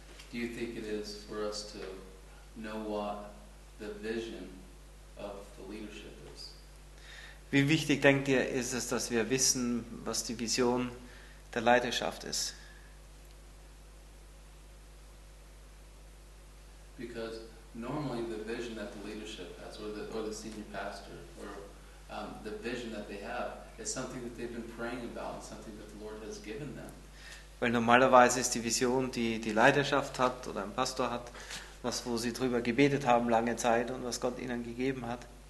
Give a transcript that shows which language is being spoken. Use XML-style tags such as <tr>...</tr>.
<en>Do you think it is for us to know what the vision of the leadership is?</en> <de>Wie wichtig denkt ihr ist es, dass wir wissen, was die Vision der Leiterschaft ist?</de> <en>Because normally the vision that the leadership has, or the senior pastor, or the vision that they have, is something that they've been praying about, something that the Lord has given them.</en> <de>Weil normalerweise ist die Vision, die die Leiterschaft hat oder ein Pastor hat, was wo sie drüber gebetet haben lange Zeit und was Gott ihnen gegeben hat.</de>